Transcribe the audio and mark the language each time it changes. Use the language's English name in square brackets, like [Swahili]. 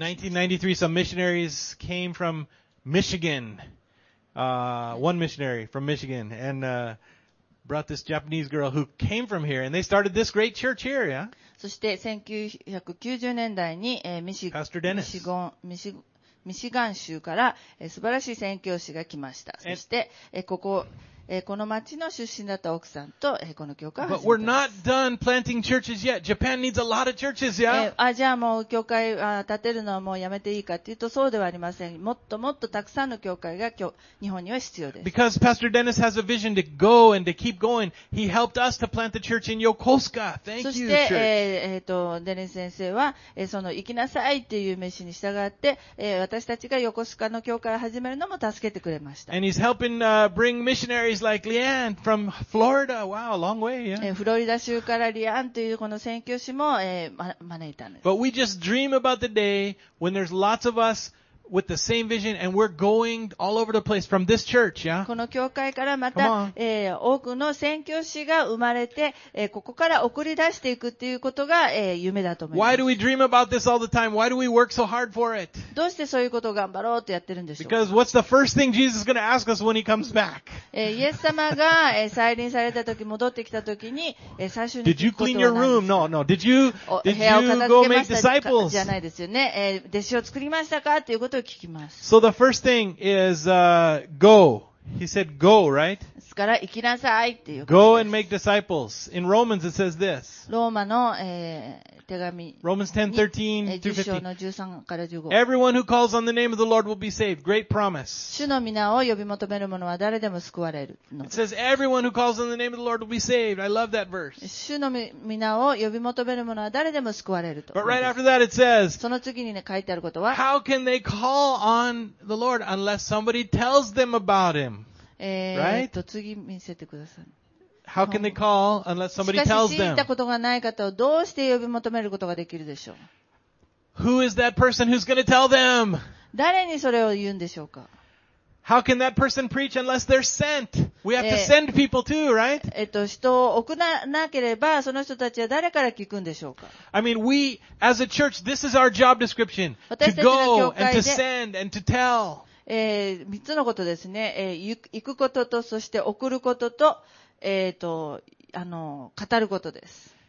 [English] 1993, some missionaries came from Michigan, one missionary from Michigan, and brought this Japanese girl who came from here, and they started this great church here, yeah? [Japanese] そして1990年代に、 [English] Pastor Dennis. [Japanese] ミシガン州から、素晴らしい宣教師が来ました。そして、この町の出身だった奥さんと、この教会を始めた。 [English] But we're not done planting churches yet. Japan needs a lot of churches, yeah? [Japanese] じゃあもう教会建てるのはもうやめていいかというとそうではありません。もっともっとたくさんの教会が日本には必要です。 [English] Because Pastor Dennis has a vision to go and to keep going, he helped us to plant the church in Yokosuka. Thank you, church. [Japanese] そして、デニス先生は、その行きなさいという召しに従って、私たちが横須賀の教会を始めるのも助けてくれました。 [English] And he's helping, bring missionaryLike Leanne from Florida. Wow, long way, yeah. [Japanese] フロリダ州からリアンというこの宣教師も、招いたんです。 [English] But we just dream about the day when there's lots of us with the same vision and we're going all over the place from this church, yeah? [Japanese] この教会からまた、多くの宣教師が生まれて、ここから送り出していくということが、夢だと思います。 [English] Why do we dream about this all the time? Why do we work so hard for it? [Japanese] どうしてそういうことを頑張ろうとやってるんでしょうか? [English] Because what's the first thing Jesus is going to ask us when he comes back? [Japanese] イエス様が、再臨された時、戻ってきた時に、最初に [English] Did you clean your room? No, no. Did you go make disciples? [Japanese] じゃないですよね。弟子を作りましたか?っていうこと [English] So the first thing is, go. He said go, right? [Japanese] ですから行きなさいっていう。 [English] Go and make disciples. In Romans it says this. [Japanese] ローマの、手紙。 [English] Romans 10:13 to 15. [Japanese] 10章の13から15。 [English] Everyone who calls on the name of the Lord will be saved. Great promise. [Japanese] 主の名を呼び求める者は誰でも救われるの。 [English] It says everyone who calls on the name of the Lord will be saved. I love that verse. [Japanese] 主の名を呼び求める者は誰でも救われると。 [English] But right after that it says, [Japanese] その次に、ね、書いてあることは、 [English] How can they call on the Lord unless somebody tells them about him? Right? [Japanese] 次見せてください。 [English] How can they call unless somebody tells them? [Japanese] しかし、聞いたことがない方をどうして呼び求めることができるでしょう? [English] Who is that person who's going to tell them? [Japanese] 誰にそれを言うんでしょうか? [English] How can that person preach unless they're sent? We have to send people too, right? [Japanese] 人を送らなければ、その人たちは誰から聞くんでしょうか? [English] I mean, we, as a church, this is our job description. To go and to send and to tell. [Japanese] 三つのことですね、行くことと、そして送ることと、語ることです。